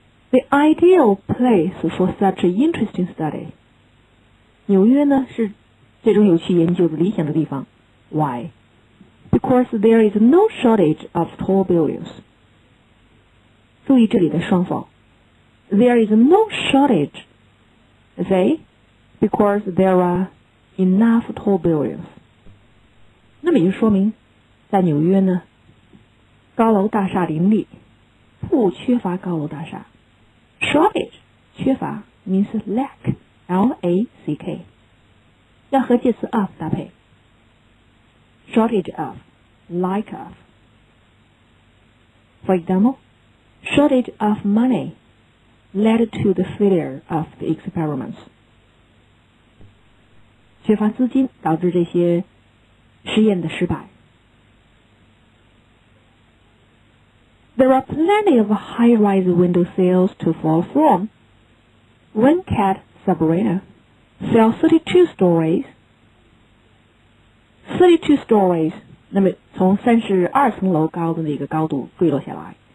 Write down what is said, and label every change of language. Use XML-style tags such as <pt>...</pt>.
<en>The ideal place for such an interesting study.</en> <zh>纽约呢是这种有趣研究的理想的地方。</zh> <en>Why? Because there is no shortage of tall buildings.</en> <zh>注意这里的双否。</zh> <en>There is no shortage, say, because there are enough tall buildings.</en> <zh>那么也就说明在纽约呢高楼大厦林立，不缺乏高楼大厦。</zh> <en>Shortage 缺乏 means lack, L-A-C-K</en> <zh>要和介词</zh> <en>of</en> <zh>搭配</zh> <en>Shortage of, like of. For example, shortage of money led to the failure of the experiments.</en> <zh>缺乏资金导致这些实验的失败。</zh> <en>There are plenty of high-rise windowsills to fall from. One cat, Sabrina, fell 32 stories. 32 stories,</en> <zh>那么从32层楼高的那个高度坠落下来。</zh>